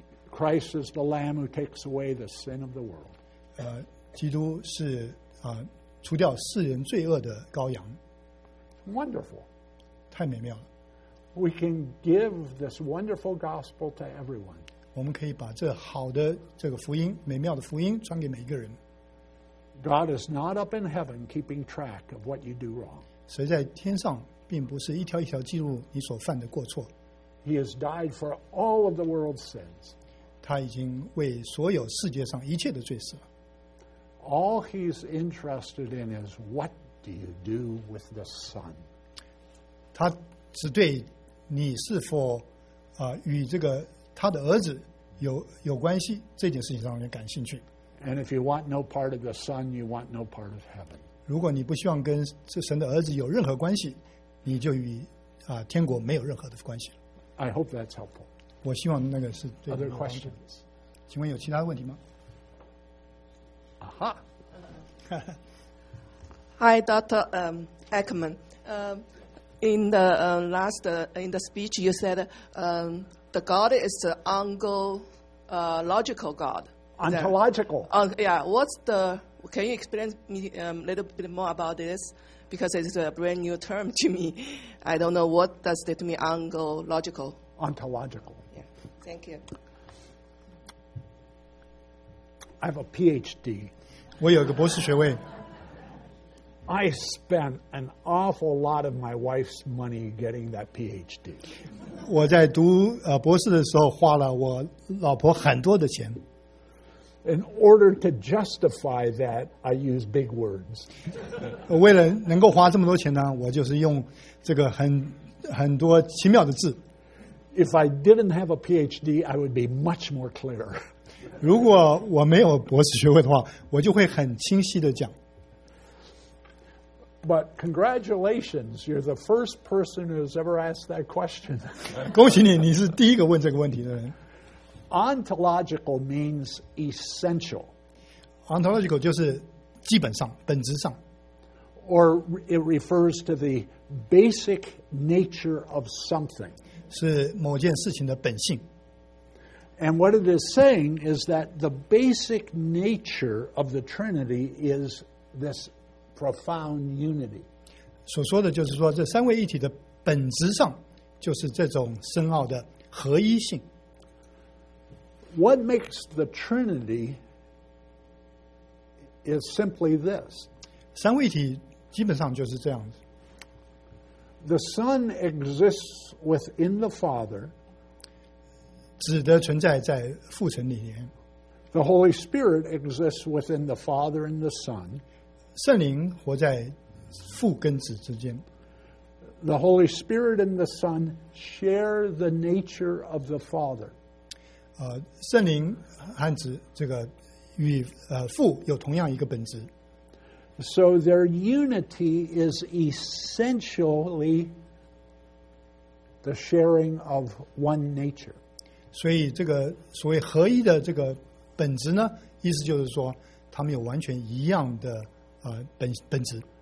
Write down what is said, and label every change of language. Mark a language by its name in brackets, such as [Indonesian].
[English] Christ is the Lamb who takes away the sin of the world. [Chinese] 基督是除掉世人罪恶的羔羊。 [English] Wonderful. [Chinese] 太美妙了。 [English] We can give this wonderful gospel to everyone. [Chinese] 我们可以把这好的这个福音，美妙的福音，传给每一个人。 [English] God is not up in heaven keeping track of what you do wrong. [Chinese] 神在天上并不是一条一条记录你所犯的过错。 [English] He has died for all of the world's sins. [Chinese] 他已经为所有世界上一切的罪死了。 [English] All he's interested in is what do you do with the Son? [Chinese] 他只对你是否与这个他的儿子有关系这件事情上面感兴趣。 [English] And if you want no part of the Son, you want no part of heaven. [Chinese] 如果你不希望跟神的儿子有任何关系，你就与天国没有任何的关系了。 [English] I hope that's helpful. [Chinese] 我希望那个是对的。 [English] Other questions? [Chinese] 请问有其他问题吗？啊哈。 [English] Hi, Dr. Ekman. In the last in the speech, you said the God is the ontological God. Ontological. Yeah. What's the? Can you explain me a little bit more about this? Because it's a brand new term to me. I don't know what does it mean. Ontological. Ontological. Yeah. Thank you. I have a PhD. [Chinese] 我有一个博士学位。 [English] I spent an awful lot of my wife's money getting that PhD. [Chinese] 我在读博士的时候花了我老婆很多的钱。 [English] In order to justify that, I use big words. [Chinese] 为了能够花这么多钱呢，我就是用这个很多奇妙的字。 [English] If I didn't have a PhD, I would be much more clear. [Chinese] 如果我没有博士学位的话，我就会很清晰的讲。 [English] But congratulations, you're the first person who's ever asked that question. [Chinese] 恭喜你，你是第一个问这个问题的人。 [English] Ontological means essential. [Chinese] Ontological 就是基本上，本质上。 [English] Or it refers to the basic nature of something. [Chinese] 是某件事情的本性。 [English] And what it is saying is that the basic nature of the Trinity is this profound unity. [Chinese] 所说的就是说，这三位一体的本质上就是这种深奥的合一性。 [English] What makes the Trinity is simply this. [Chinese] 三位一体基本上就是这样子。 [English] The Son exists within the Father. [Chinese] 子的存在在父神里面。 [English] The Holy Spirit exists within the Father and the Son. [Chinese] 圣灵活在父跟子之间。 [English] The Holy Spirit and the Son share the nature of the Father. [Chinese] 圣灵和子这个与父有同样一个本质。 [English] So their unity is essentially the sharing of one nature. [Chinese] 所以这个所谓合一的这个本质呢，意思就是说他们有完全一样的本质。